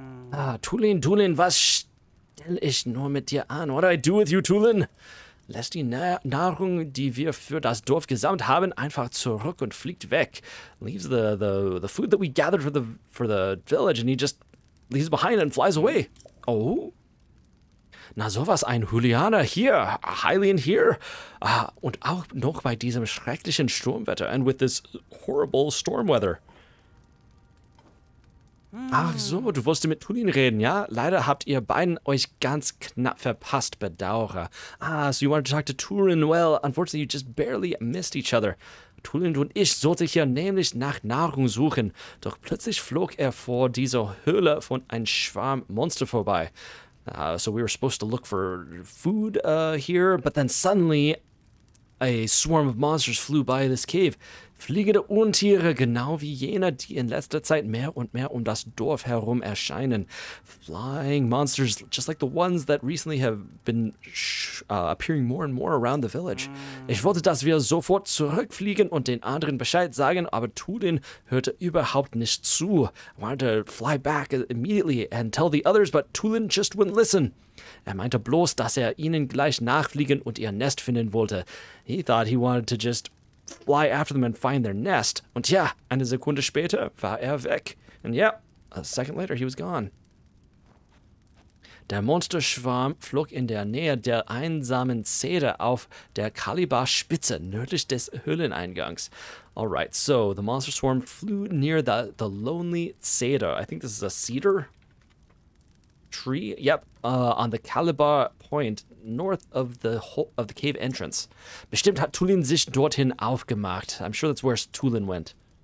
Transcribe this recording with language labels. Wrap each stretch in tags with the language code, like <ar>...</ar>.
<de>Ah, Tulin, was stell ich nur mit dir an?</de> <en>What do I do with you, Tulin?</en> <de>Lass die Nahrung, die wir für das Dorf gesammelt haben, einfach zurück und fliegt weg.</de> <en>Leaves the food that we gathered for the village and he just leaves behind and flies away. Oh.</en> <de>Na sowas, ein Hylianer hier,</de> <en>a Hylian here.</en> <de>Ah, und auch noch bei diesem schrecklichen Sturmwetter</de> <en>and with this horrible storm weather.</en> <de>Ach so, du wolltest mit Tulin reden, ja? Leider habt ihr beiden euch ganz knapp verpasst, bedauere.</de> <en>Ah, so you wanted to talk to Tulin, well, unfortunately you just barely missed each other.</en> <de>Tulin und ich sollten hier nämlich nach Nahrung suchen, doch plötzlich flog er vor dieser Höhle von einem Schwarm Monster vorbei.</de> <en>So we were supposed to look for food here, but then suddenly a swarm of monsters flew by this cave.</en> <de>Fliegende Untiere, genau wie jene, die in letzter Zeit mehr und mehr um das Dorf herum erscheinen.</de> <en>Flying monsters, just like the ones that recently have been appearing more and more around the village.</en> <de>Ich wollte, dass wir sofort zurückfliegen und den anderen Bescheid sagen, aber Tulin hörte überhaupt nicht zu.</de> <en>I wanted to fly back immediately and tell the others, but Tulin just wouldn't listen.</en> <de>Er meinte bloß, dass er ihnen gleich nachfliegen und ihr Nest finden wollte.</de> <en>He thought he wanted to just... fly after them and find their nest.</en> <de>Und ja, eine Sekunde später war weg.</de> <en>And yeah, a second later he was gone.</en> <de>Der Monsterschwarm flog in der Nähe der einsamen Zeder auf der Kalibar-Spitze nördlich des Höhleneingangs.</de> <en>Alright, so the monster swarm flew near the lonely Zeder. I think this is a cedar tree. Yep, on the Kalibar point. North of the cave entrance.</en> <de>Bestimmt hat Tulin sich dorthin aufgemacht.</de> <en>I'm sure that's where Tulin went.</en>